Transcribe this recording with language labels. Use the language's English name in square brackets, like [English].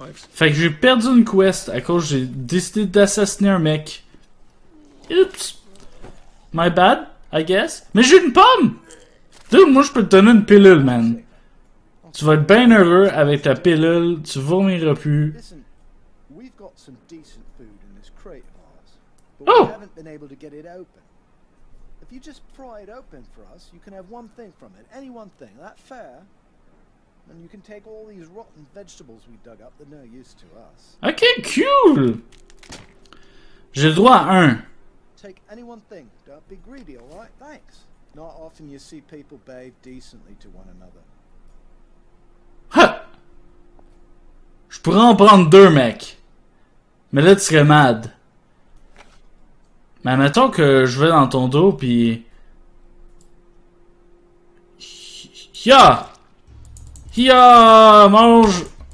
[French] Fait que j'ai perdu une quest à cause que j'ai décidé d'assassiner un mec. Oups. [English] My bad, I guess. [French] Mais j'ai une pomme! Dude, moi, je peux te donner une pilule, man. Tu vas être bien heureux avec ta pilule. Tu vomiras plus. [English] Some decent food in this crate of ours, but we haven't been able to get it open. If you just pry it open for us, you can have one thing from it. Any one thing, that fair? and you can take all these rotten vegetables we dug up that are no use to us. [French] Ok, cool. J'ai le droit à un. [English] Take any one thing. Don't be greedy, alright? Thanks. Not often you see people behave decently to one another. [French] Je pourrais en prendre deux, mec. Mais là, tu serais mad. Mais admettons que je vais dans ton dos, pis... Hiya! Hiya! Mange!